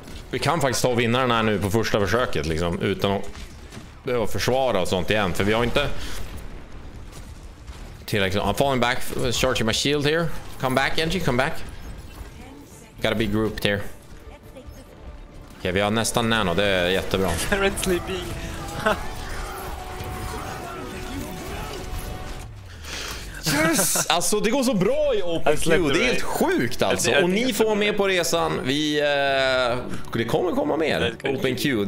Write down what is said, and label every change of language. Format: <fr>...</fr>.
<sv>Vi kan faktiskt ta vinnaren här nu på första försöket liksom, utan att försvara och sånt igen, för vi har inte tillräckligt.</sv> <en>I'm falling back, charging my shield here. Come back, Engie, come back. Gotta be grouped here.</en> <sv>Okej, okay, vi har nästan nano, det är jättebra.</sv> <en>Currently being... Yes!</en> <sv>Alltså det går så bra i OPQ, det är helt sjukt alltså. Och ni får vara med på resan. Vi, det kommer komma mer OPQ.</sv>